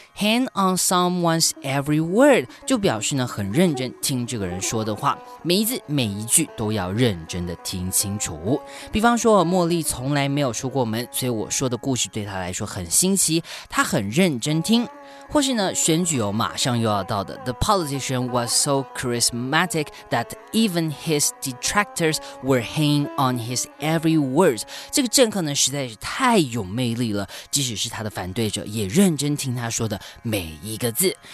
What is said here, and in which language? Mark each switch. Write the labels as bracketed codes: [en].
[en] Hang on someone's every word [zh] 就表示呢很认真听这个人说的话，每一字每一句都要认真的听清楚。比方说茉莉从来没有出过门，所以我说的故事对她来说很新奇，她很认真听。或是呢选举马上又要到的， [en] The politician was so charismatic that even his detractors were hanging on his every word. [zh] 这个政客呢实在是太有魅力了，即使是他的反对者也认真听他说的每一个字。